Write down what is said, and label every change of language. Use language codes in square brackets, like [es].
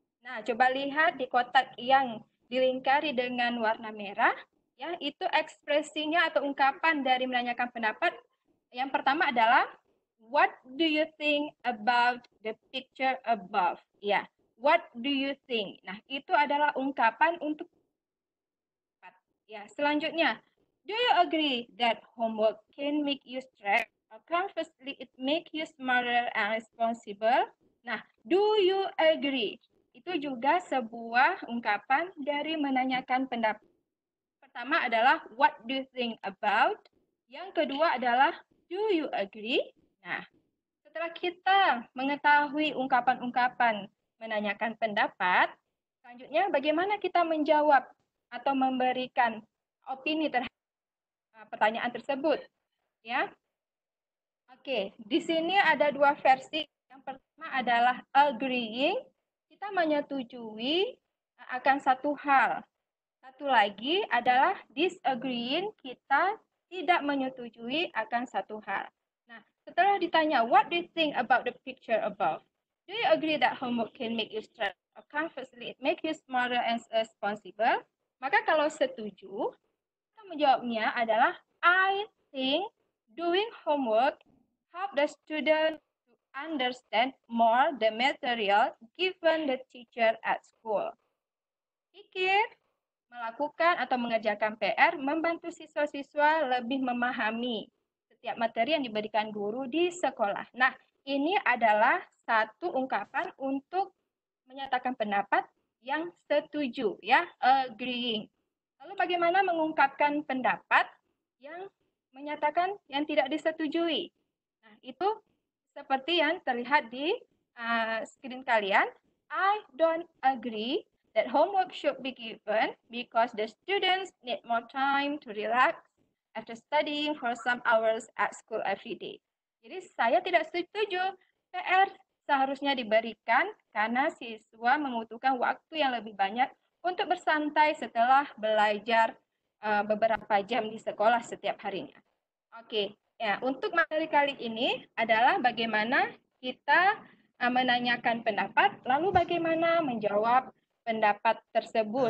[id] Nah, coba lihat di kotak yang dilingkari dengan warna merah, ya, itu ekspresinya atau ungkapan dari menanyakan pendapat. Yang pertama adalah, [en] what do you think about the picture above? [id] Ya, [en] what do you think? [id] Nah, itu adalah ungkapan untuk pendapat. Ya, selanjutnya, [en] do you agree that homework can make you stress? Conversely, it make you smarter and responsible. Nah, do you agree? [id] Itu juga sebuah ungkapan dari menanyakan pendapat. Pertama adalah, [en] what do you think about? [id] Yang kedua adalah, [en] do you agree? [id] Nah, setelah kita mengetahui ungkapan-ungkapan menanyakan pendapat, selanjutnya bagaimana kita menjawab atau memberikan opini terhadap pertanyaan tersebut? Ya. Oke, di sini ada dua versi. Yang pertama adalah agreeing, kita menyetujui akan satu hal. Satu lagi adalah disagreeing, kita tidak menyetujui akan satu hal. Nah, setelah ditanya, [en] what do you think about the picture above? Do you agree that homework can make you stress, or conversely it make you smarter and responsible? [id] Maka kalau setuju, kita menjawabnya adalah, [en] I think doing homework help the student to understand more the material given the teacher at school. [id] Pikir, melakukan atau mengerjakan PR membantu siswa-siswa lebih memahami setiap materi yang diberikan guru di sekolah. Nah, ini adalah satu ungkapan untuk menyatakan pendapat yang setuju, ya, agreeing. Lalu bagaimana mengungkapkan pendapat yang menyatakan yang tidak disetujui? Itu seperti yang terlihat di screen kalian. [en] I don't agree that homework should be given because the students need more time to relax after studying for some hours at school every day. [id] Jadi saya tidak setuju PR seharusnya diberikan karena siswa membutuhkan waktu yang lebih banyak untuk bersantai setelah belajar beberapa jam di sekolah setiap harinya. Oke. Ya, untuk materi kali ini adalah bagaimana kita menanyakan pendapat, lalu bagaimana menjawab pendapat tersebut.